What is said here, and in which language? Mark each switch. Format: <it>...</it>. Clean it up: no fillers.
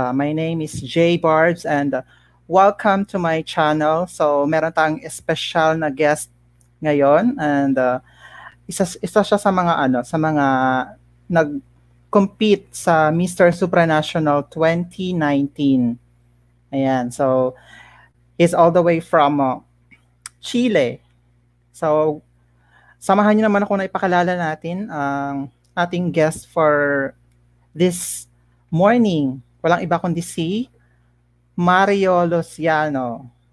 <en>My name is Jay Barbs and welcome to my channel.</en> <tl>So meron tayong special na guest ngayon and isa siya sa mga ano, sa mga nag-compete sa Mister Supranational 2019.</tl> <en>Ayan, so he's all the way from Chile.</en> <tl>So samahan niyo naman ako na ipakilala natin ang ating guest</tl> <en>for this morning.</en> <tl>Walang iba kundi si Mario Luciano.</tl>